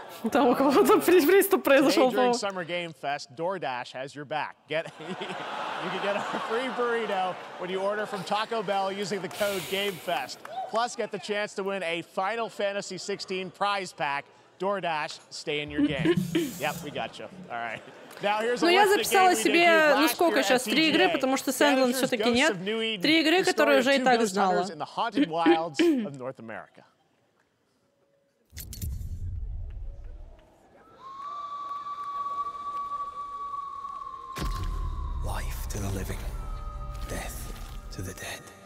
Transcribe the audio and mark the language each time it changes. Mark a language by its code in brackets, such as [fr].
[ru] там у кого-то приступ произошел. [en] Today, during Summer Game Fest, DoorDash has your back. You can get a free burrito when you order from Taco Bell using the code GAMEFEST. Plus, get the chance to win a Final Fantasy 16 prize pack DoorDash, stay in your game. Yep, we got you. All right. [ru] Ну, я записала себе, ну сколько сейчас, три игры, потому что Sandland все-таки нет. Три игры, которые уже и так знала. [en] Life to the living, death to the dead.